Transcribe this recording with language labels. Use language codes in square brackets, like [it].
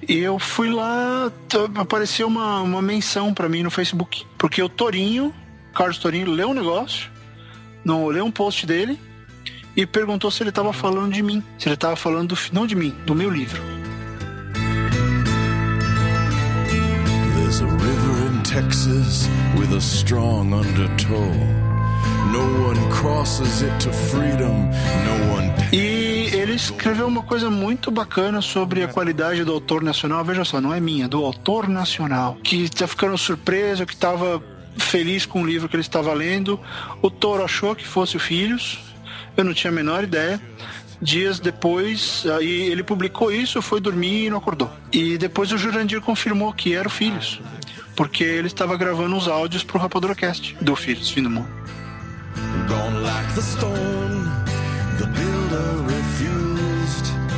[pt] E eu fui lá, apareceu uma menção pra mim no Facebook, porque o Torinho, Carlos Torinho, leu um negócio, não, leu um post dele e perguntou se ele tava falando de mim, se ele tava falando, não de mim, do meu livro. [en] There's a river in Texas with a strong undertow. No one crosses it to freedom, no one pays. [pt] E ele escreveu uma coisa muito bacana sobre a qualidade do autor nacional. Veja só, não é minha, do autor nacional. Que tá ficando surpreso, que tava feliz com o livro que ele estava lendo. O Toro achou que fosse o Filhos. Eu não tinha a menor ideia. Dias depois, aí ele publicou isso, foi dormir e não acordou. E depois o Jurandir confirmou que era o Filhos, porque ele estava gravando os áudios pro RapaduraCast do Filhos, Fim do Mundo. [en] Gone like the storm, the builder refused.